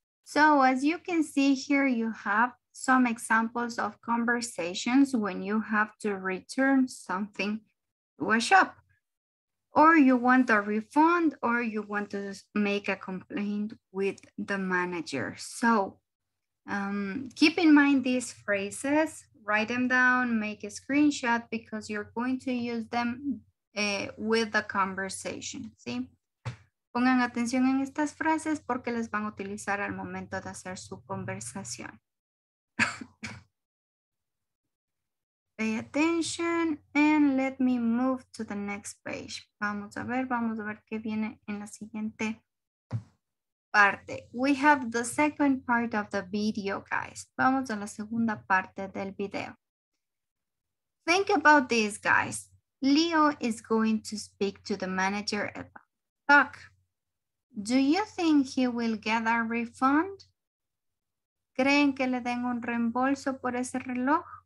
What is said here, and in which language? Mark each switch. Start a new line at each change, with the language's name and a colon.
English: So as you can see here, you have some examples of conversations when you have to return something to a shop, or you want a refund, or you want to make a complaint with the manager. So keep in mind these phrases, write them down, make a screenshot, because you're going to use them with the conversation, ¿sí?
Spanish: Pongan atención en estas frases porque las van a utilizar al momento de hacer su conversación.
English: Pay attention and let me move to the next page.
Spanish: Vamos a ver qué viene en la siguiente parte.
English: We have the second part of the video, guys.
Spanish: Vamos a la segunda parte del video.
English: Think about this, guys. Leo is going to speak to the manager about talk. Do you think he will get a refund?
Spanish: ¿Creen que le den un reembolso por ese reloj?